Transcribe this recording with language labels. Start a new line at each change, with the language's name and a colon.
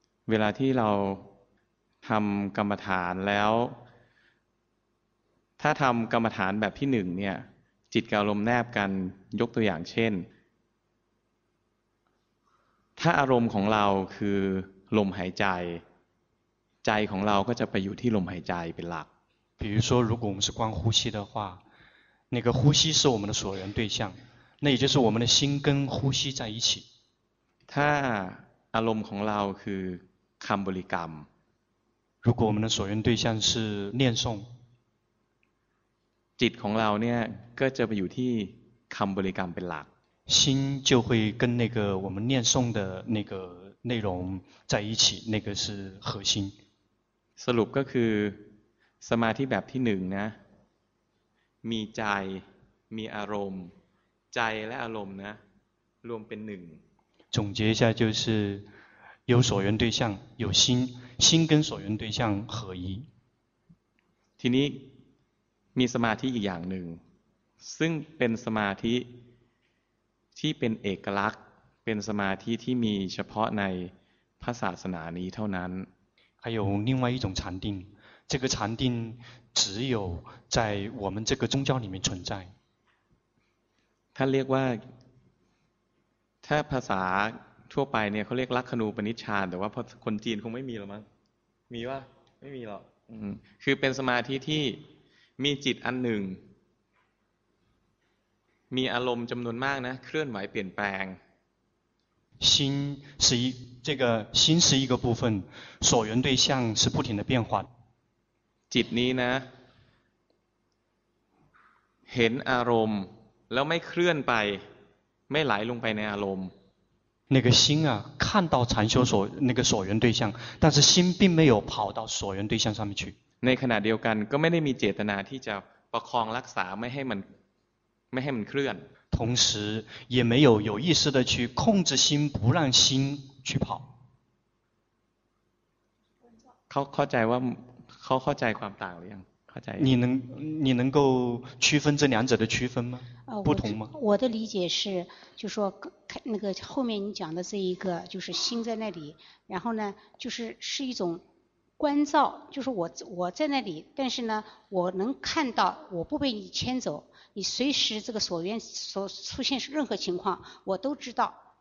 Thai: เวลาที่เราทำกรรมฐานแล้วถ้าทำกรรมฐานแบบที่หนึ่งเนี่ยจิตกับอารมณ์แนบกันยกตัวอย่างเช่นถ้าอารมณ์ของเราคือลมหายใจใจของเราก็จะไปอยู่ที่ลมหายใจเป็นหลัก
Chinese: 比如说如果我们是观呼吸的话那个呼吸是我们的所缘对象那也就是我们的心跟呼吸在一起
Thai: ถ้าอารมณ์ของเราคือคำบริกรรม
Chinese: 如果我们的所缘对象是念诵
Thai: จิตของเราเนี่ยก็จะไปอยู่ที่คำบริกรรมเป็นหลัก
Chinese: 心就会跟那个我们念诵的那个内容在一起那个是核心
Thai: สรุปก็คือสมาธิแบบที่หนึ่งนะมีใจมีอารมณ์ใจและอารมณ์นะรวมเป็นหนึ่ง
Chinese: 总结一下就是有所缘对象有心心跟所缘对象合一
Thai: ทีนี้มีสมาธิอีกอย่างหนึ่งซึ่งเป็นสมาธิที่เป็นเอกลักษณ์เป็นสมาธิที่มีเฉพาะในพระศาสนานี้เท่านั้น
Chinese: 还有另外一种禅定这个禅定只有在我们这个宗教里面存在
Thai: ถ้าเรียกว่าถ้าภาษาทั่วไปเนี่ยเขาเรียกลักขณูปนิชฌานแต่ว่าพอคนจีนคงไม่มีหรอกมั้งมีว่าไม่มีหรอกคือเป็นสมาธิที่มีจิตอันหนึ่งมีอารมณ์จำนวนมากนะเคลื่อนไหวเปลี่ยนแปลง
Chinese: 心是一这个心是一个部分所缘对象是不停的变化
Thai: จิตนี้นะเห็นอารมณ์แล้วไม่เคลื่อนไปไม่ไหลลงไปในอารมณ์
Chinese: 那个心啊看到禅修所那个所缘对象但是心并没有跑到所缘对象上面去
Thai: ในขณะเดียวกันก็ไม่ได้มีเจตนาที่จะประคองรักษาไม่ให้มันเคลื่อน
Chinese: 同时也没有有意识的去控制心不让心去跑
Thai: เขาเข้าใจว่าเขาเข้าใจความต่างหรือยัง
Chinese: 你能够区分这两者的区分吗？不同吗？我的理解是，就说那个后面你讲的这一个，就是心在那里，然后呢，就是是一种观照，就是我在那里，但是呢，我能看到我不被你牵走，你随时这个所缘所出现任何情况，我都知道。